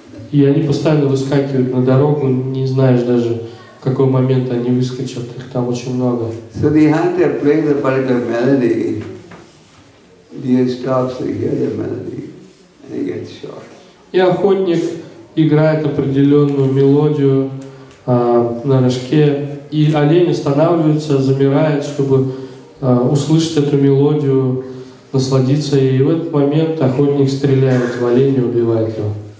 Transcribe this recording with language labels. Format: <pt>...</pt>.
<ru>И они постоянно выскакивают на дорогу, не знаешь даже, в какой момент они выскочат. Их там очень много.</ru> <en>So the hunter plays a particular melody. Deer stops to hear the melody</en> <ru>И охотник играет определенную мелодию на рожке, и олень останавливается, замирает, чтобы услышать эту мелодию, насладиться ей. И в этот момент охотник стреляет в оленя, убивает его.</ru>